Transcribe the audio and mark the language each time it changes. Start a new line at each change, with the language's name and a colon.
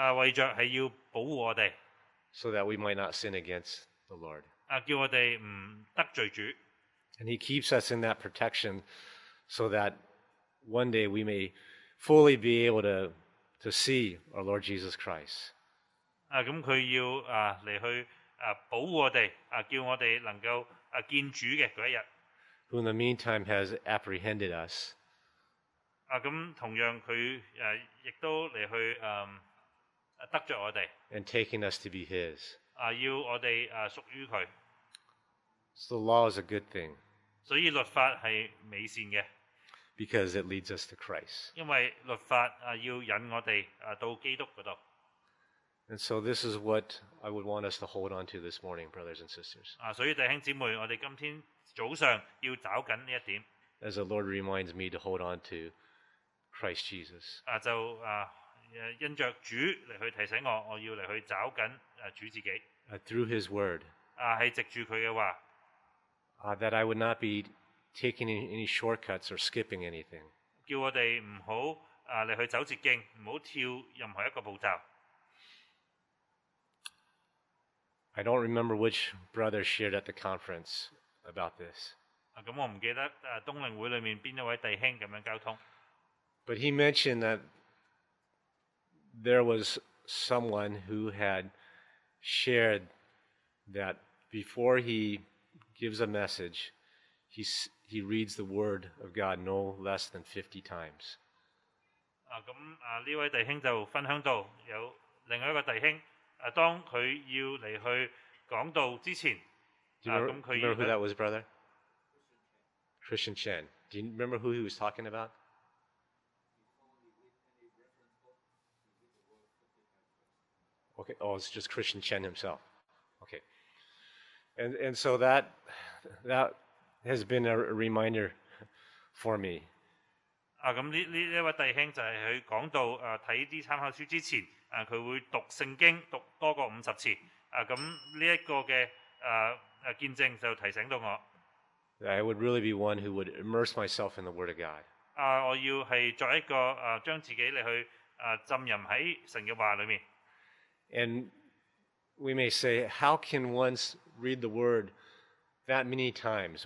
Cantonese: 為著係要保護我哋。
English: So that we might not sin against the Lord.
Cantonese: 叫我哋唔得罪主。
English: And he keeps us in that protection so that one day we may fully be able to see our Lord Jesus Christ.
Cantonese: 咁佢要嚟去保護我哋叫我哋能夠見主嘅嗰一日。
English: Who in the meantime has apprehended us.
Cantonese: 咁同樣佢亦都嚟去得著我哋。
English: And taking us to be his.
Cantonese: 要我哋屬於佢。
English: So law is a good thing.
Cantonese: 所以律法係美善嘅。
English: Because it leads us to Christ.
Cantonese: 因為律法要引我哋到基督嗰度。
English: And so this is what I would want us to hold on to this morning, brothers and sisters.
Cantonese: 所以弟兄姊妹，我哋今天早上要找緊呢一點。
English: As the Lord reminds me to hold on to Christ Jesus.
Cantonese: 就因着主嚟去提醒我，我要嚟去找緊主自己。
English: Through His Word.
Cantonese: 係藉住佢嘅話。
English: That I would not be taking any shortcuts or skipping anything.
Cantonese: 叫我哋唔好嚟去走捷徑，唔好跳任何一個步驟。
English: I don't remember which brother shared at the conference about this.
Cantonese: 咁我唔記得東靈會裏面邊一位弟兄咁樣交通。
English: But he mentioned that there was someone who had shared that before he gives a message, he reads the word of God no less than 50 times.
Cantonese: 咁呢位弟兄就分享到有另一個弟兄。當佢要嚟去講道之前，咁佢
English: Remember who that was, brother? Christian Chen. Do you remember who he was talking about? Okay. Oh, it's just Christian Chen himself. Okay. And so that has been a reminder for me.
Cantonese: 咁呢位弟兄就係佢講道睇啲參考書之前。佢會讀聖經讀多過50次咁呢一個嘅見證就提醒到我。
English: I would really be one who would immerse myself in the Word of God.
Cantonese: 我要係作一個將自己嚟去浸淫喺神嘅話裏面。
English: And we may say, how can one read the Word that many times?